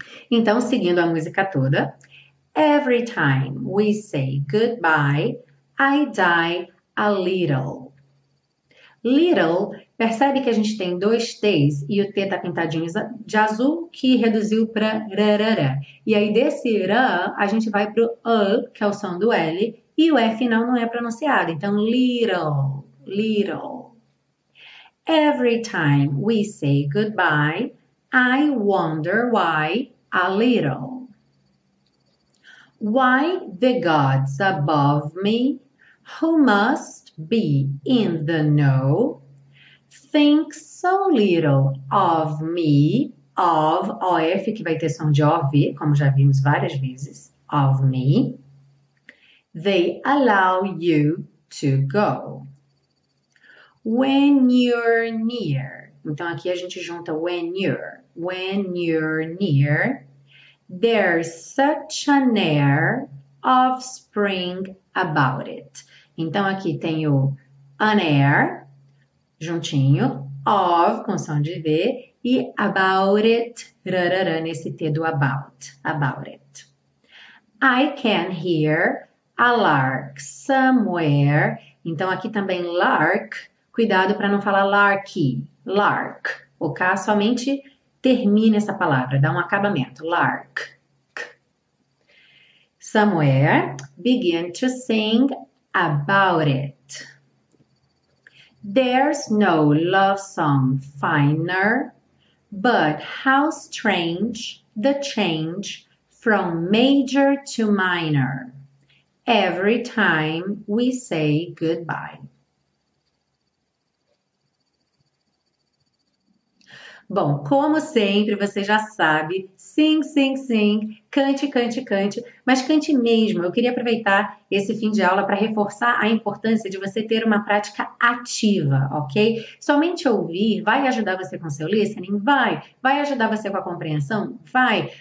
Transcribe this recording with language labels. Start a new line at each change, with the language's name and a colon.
Portuguese: Então, seguindo a música toda.
English: Every time we say goodbye, I die a little.
Portuguese: Little, percebe que a gente tem dois T's e o T tá pintadinho de azul, que reduziu para rarara. E aí desse rã, a gente vai pro ã, que é o som do L, e o E final não é pronunciado. Então, little, little.
English: Every time we say goodbye, I wonder why a little. Why the gods above me, who must be in the know, think so little of me, of, OF,
Portuguese: que vai ter som de OV, como já vimos várias vezes,
English: of me. They allow you to go. When you're near.
Portuguese: Então aqui a gente junta
English: when you're. When you're near. There's such an air of spring about it.
Portuguese: Então aqui tem o an air. Juntinho, of, com som de V, e about it, rarara, nesse T do about it.
English: I can hear a lark somewhere.
Portuguese: Então, aqui também lark, cuidado para não falar larky, lark. O K somente termina essa palavra, dá um acabamento, lark.
English: Somewhere, begin to sing about it. There's no love song finer, but how strange the change from major to minor every time we say goodbye.
Portuguese: Bom, como sempre, você já sabe,
English: sing, sing, sing,
Portuguese: cante, cante, cante, mas cante mesmo. Eu queria aproveitar esse fim de aula para reforçar a importância de você ter uma prática ativa, ok? Somente ouvir vai ajudar você com seu listening? Vai ajudar você com a compreensão? Vai.